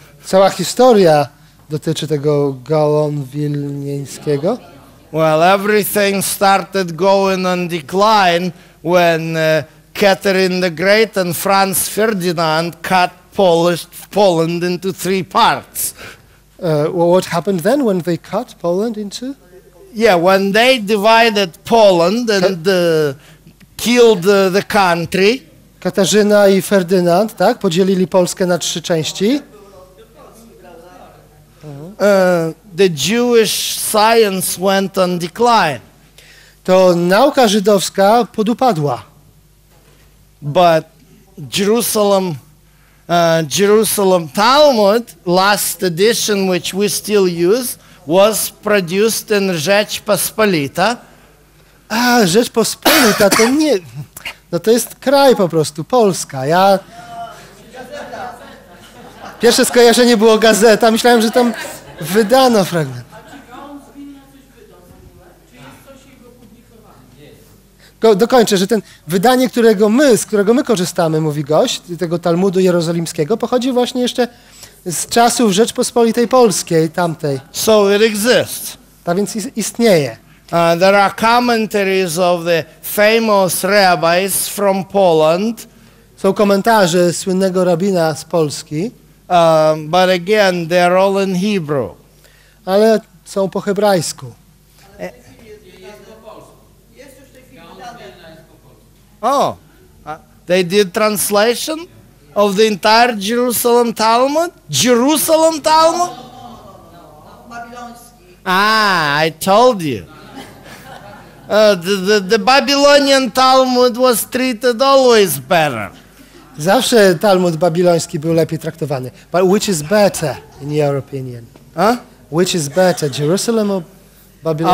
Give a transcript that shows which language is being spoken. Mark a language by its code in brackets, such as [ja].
[pl] Cała historia dotyczy tego Gaon Wilnieńskiego. [en] Well, everything started going on decline when Catherine the Great and Franz Ferdinand cut Poland into three parts. Well, what happened then when they cut Poland into? Yeah, when they divided Poland and killed the country. [pl] Katarzyna i Ferdynand, tak, podzielili Polskę na trzy części. [en] The Jewish science went on decline. [pl] To nauka żydowska podupadła. [en] But Jerusalem Jerusalem Talmud, last edition which we still use, was produced in Rzeczpospolita. [pl] A, Rzeczpospolita to nie... No to jest kraj po prostu, Polska. Ja... Pierwsze skojarzenie było gazeta. Myślałem, że tam wydano fragment. A czy Gaon z Wilna coś wydał w ogóle? Czy jest coś jego publikowane? Nie. Dokończę, że ten wydanie, którego my, z którego my korzystamy, mówi gość, tego Talmudu Jerozolimskiego, pochodzi właśnie jeszcze z czasów Rzeczpospolitej Polskiej, tamtej. [en] So it exists. [pl] Tak więc istnieje. [en] There are commentaries of the famous rabbis from Poland. [pl] Są komentarze słynnego rabina z Polski. [en] But again, they are all in Hebrew. [pl] Ale są po hebrajsku. [en] Oh, they did translation of the entire Jerusalem Talmud? Jerusalem Talmud? Ah, I told you. The Babylonian Talmud was treated always better. [pl] Zawsze Talmud babiloński był lepiej traktowany. [en] But which is better, in your opinion? Huh? Which is better, Jerusalem or Babylon?